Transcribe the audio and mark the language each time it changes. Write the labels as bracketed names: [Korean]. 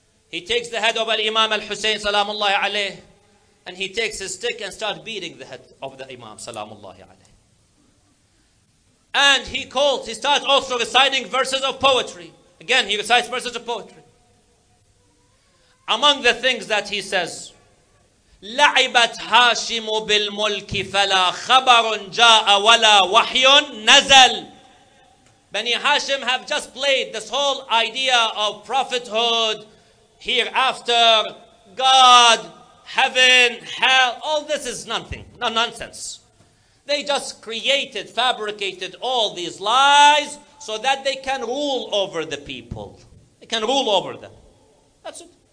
[English] He takes the head of Al-Imam Al-Husayn salamullahi alayhi. And he takes his stick and starts beating the head of the Imam, salamullahi alayhi. And he calls, he starts also reciting verses of poetry. Again, he recites verses of poetry. Among the things that he says, [Arabic] لَعِبَتْ هَاشِمُ بِالْمُلْكِ فَلَا خَبَرٌ جَاءَ وَلَا وَحْيٌ نَزَلْ. [English] Bani Hashim have just played this whole idea of prophethood, hereafter, God, heaven, hell, all this is nothing, no nonsense. They just created, fabricated all these lies so that they can rule over the people. They can rule over them. That's it.